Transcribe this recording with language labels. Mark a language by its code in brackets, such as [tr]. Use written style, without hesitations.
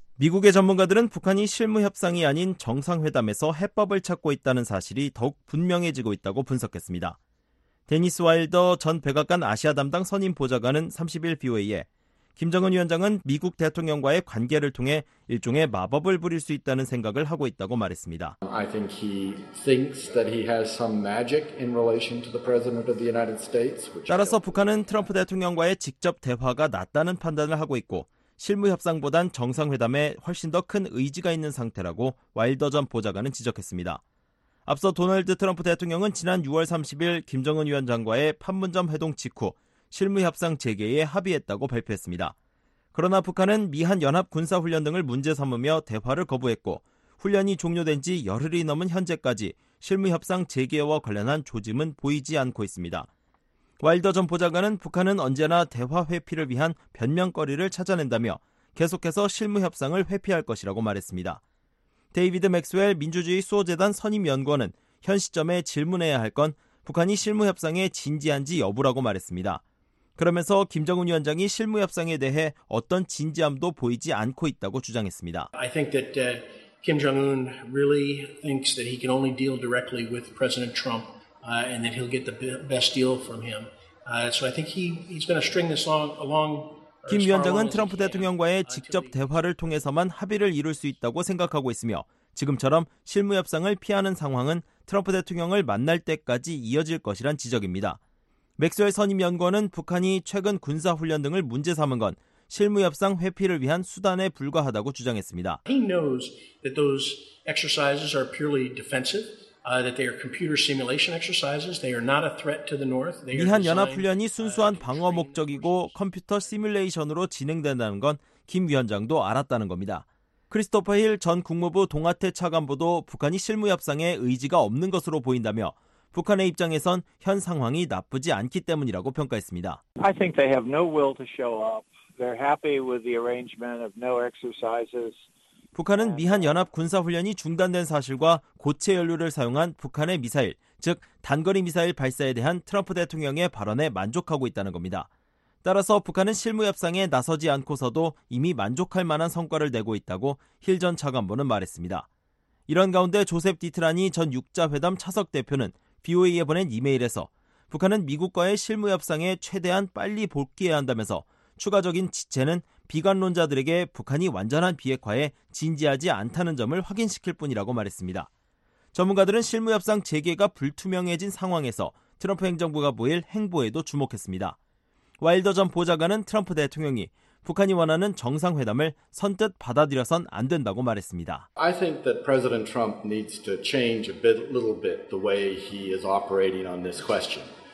[ko] 미국의 전문가들은 북한이 실무 협상이 아닌 정상회담에서 해법을 찾고 있다는 사실이 더욱 분명해지고 있다고 분석했습니다. 데니스 와일더 전 백악관 아시아 담당 선임 보좌관은 30일 BOA에 김정은 위원장은 미국 대통령과의 관계를 통해 일종의 마법을 부릴 수 있다는 생각을 하고 있다고 말했습니다. [en] I think he thinks that he has some magic in relation to the president of the United States. [ko] 따라서 북한은 트럼프 대통령과의 직접 대화가 낫다는 판단을 하고 있고 실무 협상보단 정상회담에 훨씬 더 큰 의지가 있는 상태라고 와일더 전 보좌관은 지적했습니다. 앞서 도널드 트럼프 대통령은 지난 6월 30일 김정은 위원장과의 판문점 회동 직후 실무 협상 재개에 합의했다고 발표했습니다. 그러나 북한은 미한 연합 군사 훈련 등을 문제 삼으며 대화를 거부했고 훈련이 종료된 지 열흘이 넘은 현재까지 실무 협상 재개와 관련한 조짐은 보이지 않고 있습니다. 와일더 전 보좌관은 북한은 언제나 대화 회피를 위한 변명거리를 찾아낸다며 계속해서 실무 협상을 회피할 것이라고 말했습니다. 데이비드 맥스웰 민주주의 수호재단 선임연구원은 현 시점에 질문해야 할 건 북한이 실무 협상에 진지한지 여부라고 말했습니다. 그러면서 김정은 위원장이 실무 협상에 대해 어떤 진지함도 보이지 않고 있다고 주장했습니다. [en] I think that Kim Jong-un really thinks that he can only deal directly with President Trump and that he'll get the best deal from him. So I think he's going to string this along [ko] 김 위원장은 트럼프 대통령과의 직접 대화를 통해서만 합의를 이룰 수 있다고 생각하고 있으며 지금처럼 실무 협상을 피하는 상황은 트럼프 대통령을 만날 때까지 이어질 것이란 지적입니다. 맥스웰 선임 연구원은 북한이 최근 군사 훈련 등을 문제 삼은 건 실무 협상 회피를 위한 수단에 불과하다고 주장했습니다. [en] He knows that those exercises are purely defensive. That they are computer simulation exercises. They are not a threat to the North. [ko] 미한 연합 훈련이 순수한 방어 목적이고 컴퓨터 시뮬레이션으로 진행된다는 건 김 위원장도 알았다는 겁니다. 크리스토퍼 힐 전 국무부 동아태 차관보도 북한이 실무 협상에 의지가 없는 것으로 보인다며 북한의 입장에선 현 상황이 나쁘지 않기 때문이라고 평가했습니다. [en] I think they have no will to show up. They're happy with the arrangement of no exercises. [ko] 북한은 미한 연합 군사 훈련이 중단된 사실과 고체 연료를 사용한 북한의 미사일, 즉 단거리 미사일 발사에 대한 트럼프 대통령의 발언에 만족하고 있다는 겁니다. 따라서 북한은 실무 협상에 나서지 않고서도 이미 만족할 만한 성과를 내고 있다고 힐 전 차관보는 말했습니다. 이런 가운데 조셉 디트라니 전 6자회담 차석 대표는 BOA에 보낸 이메일에서 북한은 미국과의 실무 협상에 최대한 빨리 복귀해야 한다면서 추가적인 지체는 비관론자들에게 북한이 완전한 비핵화에 진지하지 않다는 점을 확인시킬 뿐이라고 말했습니다. 전문가들은 실무협상 재개가 불투명해진 상황에서 트럼프 행정부가 보일 행보에도 주목했습니다. 와일더 전 보좌관은 트럼프 대통령이 북한이 원하는 정상회담을 선뜻 받아들여선 안 된다고 말했습니다. [en] I think that President Trump needs to change a little bit the way he is operating on this question.